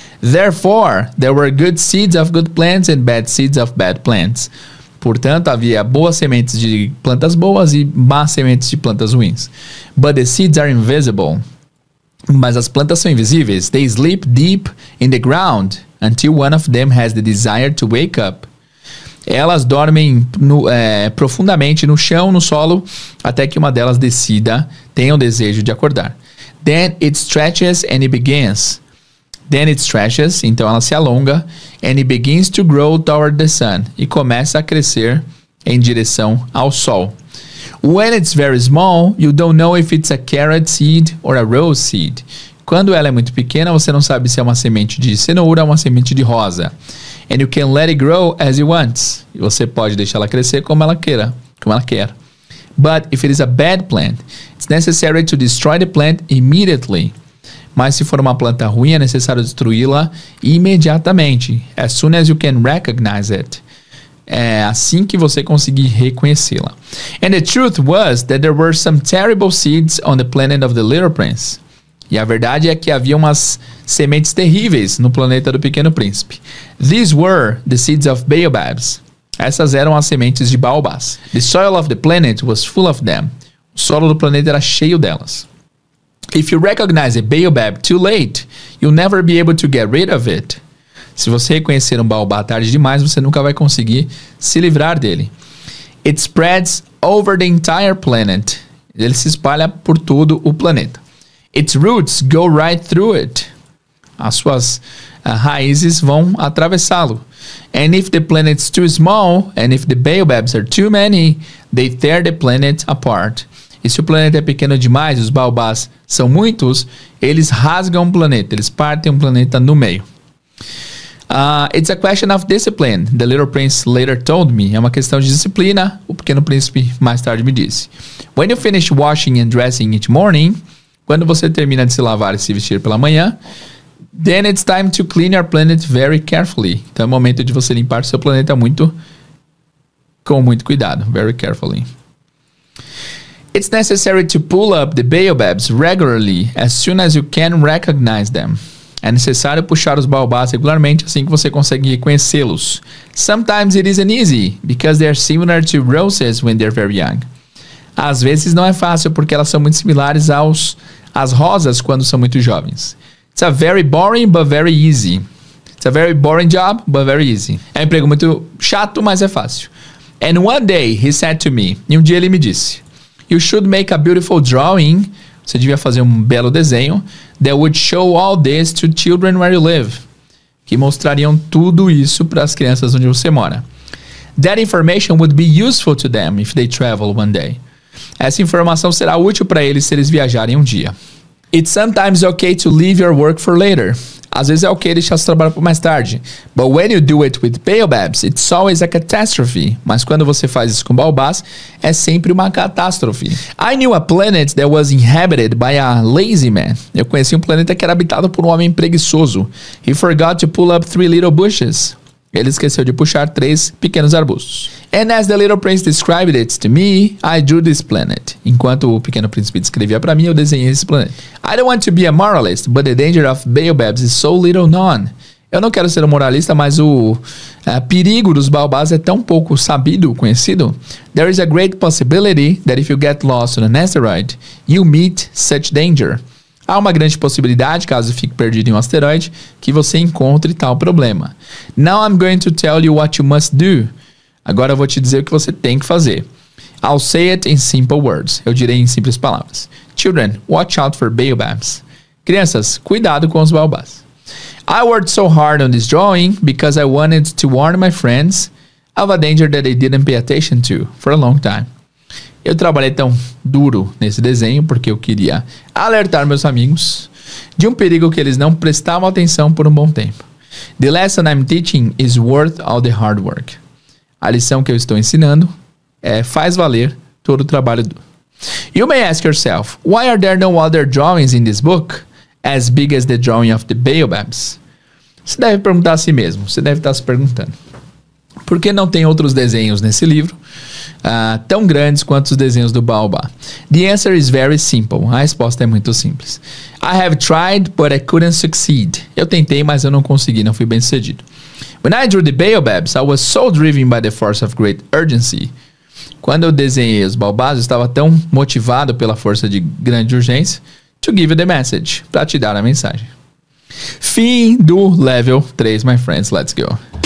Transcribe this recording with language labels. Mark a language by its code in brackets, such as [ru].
[en] Therefore, there were good seeds of good plants and bad seeds of bad plants. [pt] Portanto, havia boas sementes de plantas boas e más sementes de plantas ruins. [en] But the seeds are invisible. [pt] Mas as plantas são invisíveis. [en] They sleep deep in the ground until one of them has the desire to wake up. [pt] Elas dormem no, profundamente no chão, no solo, até que uma delas decida, tenha o desejo de acordar. [en] Then it stretches and it begins. Then it stretches, [pt] então ela se alonga, [en] and it begins to grow toward the sun. [pt] E começa a crescer em direção ao sol. [en] When it's very small, you don't know if it's a carrot seed or a rose seed. [pt] Quando ela é muito pequena, você não sabe se é uma semente de cenoura ou uma semente de rosa. [en] And you can let it grow as you want. [pt] E você pode deixar ela crescer como ela queira, como ela quer. [en] But if it is a bad plant, it's necessary to destroy the plant immediately. [pt] Mas se for uma planta ruim, é necessário destruí-la imediatamente. [en] As soon as you can recognize it. [pt] É assim que você conseguir reconhecê-la. [en] And the truth was that there were some terrible seeds on the planet of the Little Prince. [pt] E a verdade é que havia umas sementes terríveis no planeta do Pequeno Príncipe. [en] These were the seeds of baobabs. [pt] Essas eram as sementes de baobás. [en] The soil of the planet was full of them. [pt] O solo do planeta era cheio delas. [en] If you recognize a baobab too late, you'll never be able to get rid of it. [pt] Se você reconhecer um baobá tarde demais, você nunca vai conseguir se livrar dele. [en] It spreads over the entire planet. [pt] Ele se espalha por todo o planeta. [en] Its roots go right through it. [pt] As suas raízes vão atravessá-lo. [en] And if the planet's too small, and if the baobabs are too many, they tear the planet apart. [pt] E se o planeta é pequeno demais, os baobás são muitos, eles rasgam o planeta, eles partem o planeta no meio. [en] It's a question of discipline, the little prince later told me. [pt] É uma questão de disciplina, o pequeno príncipe mais tarde me disse. [en] When you finish washing and dressing each morning, [pt] quando você termina de se lavar e se vestir pela manhã, [en] then it's time to clean your planet very carefully. [pt] Então é o momento de você limpar seu planeta muito, com muito cuidado, [en] very carefully. It's necessary to pull up the baobabs regularly as soon as you can recognize them. [pt] É necessário puxar os baobás regularmente assim que você consegue reconhecê-los. [en] Sometimes it isn't easy because they are similar to roses when they're very young. [pt] Às vezes não é fácil porque elas são muito similares às rosas quando são muito jovens. [en] It's a very boring but very easy. It's a very boring job but very easy. [pt] É um emprego muito chato, mas é fácil. [en] And one day he said to me, [pt] e um dia ele me disse, [en] you should make a beautiful drawing, [pt] você devia fazer um belo desenho, [en] that would show all this to children where you live, [pt] que mostrariam tudo isso para as crianças onde você mora. [en] That information would be useful to them if they travel one day. [pt] Essa informação será útil para eles se eles viajarem um dia. [en] It's sometimes okay to leave your work for later. [pt] Às vezes é ok deixar seu trabalho para mais tarde. [en] But when you do it with baobabs, it's always a catastrophe. [pt] Mas quando você faz isso com baobás, é sempre uma catástrofe. [en] I knew a planet that was inhabited by a lazy man. [pt] Eu conheci um planeta que era habitado por um homem preguiçoso. [en] He forgot to pull up three little bushes. [pt] Ele esqueceu de puxar três pequenos arbustos. [en] And as the little prince described it to me, I drew this planet. [pt] Enquanto o pequeno príncipe descrevia para mim, eu desenhei esse planeta. [en] I don't want to be a moralist, but the danger of baobabs is so little known. [pt] Eu não quero ser um moralista, mas o perigo dos baobás é tão pouco sabido, conhecido. [en] There is a great possibility that if you get lost on an asteroid, you meet such danger. [pt] Há uma grande possibilidade, caso fique perdido em um asteroide, que você encontre tal problema. [en] Now I'm going to tell you what you must do. [pt] Agora eu vou te dizer o que você tem que fazer. [en] I'll say it in simple words. [pt] Eu direi em simples palavras. [en] Children, watch out for baobabs. [pt] Crianças, cuidado com os baobás. [en] I worked so hard on this drawing because I wanted to warn my friends of a danger that they didn't pay attention to for a long time. [pt] Eu trabalhei tão duro nesse desenho porque eu queria alertar meus amigos de um perigo que eles não prestavam atenção por um bom tempo. [en] The lesson I'm teaching is worth all the hard work. [pt] A lição que eu estou ensinando faz valer todo o trabalho duro. [en] You may ask yourself, why are there no other drawings in this book as big as the drawing of the baobabs? [pt] Você deve perguntar a si mesmo, você deve estar se perguntando. Por que não tem outros desenhos nesse livro tão grandes quanto os desenhos do Baobá? [en] The answer is very simple. [pt] A resposta é muito simples. [en] I have tried, but I couldn't succeed. [pt] Eu tentei, mas eu não consegui, não fui bem sucedido. [en] When I drew the baobabs, I was so driven by the force of great urgency. [pt] Quando eu desenhei os baobás, eu estava tão motivado pela força de grande urgência [en] to give you the message. [pt] Pra te dar a mensagem. Fim do level 3, [en] my friends. Let's go.